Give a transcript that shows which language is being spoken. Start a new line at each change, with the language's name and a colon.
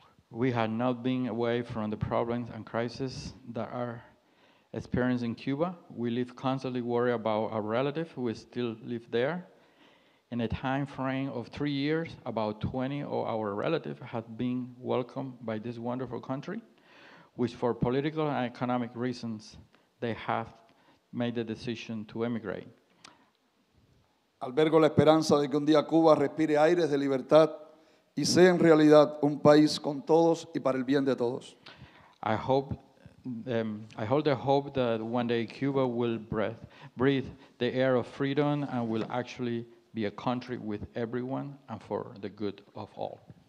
English: We have not been away from the problems and crises that are experienced in Cuba. We live constantly worried about our relatives who still live there. In a time frame of 3 years, about 20 of our relatives have been welcomed by this wonderful country, which for political and economic reasons, they have made the decision to emigrate.
Spanish: Albergo la esperanza de que un día Cuba respire aires de libertad y sea en realidad un país con todos y para el bien de todos.
English: I hold the hope that one day Cuba will breathe the air of freedom and will actually be a country with everyone and for the good of all.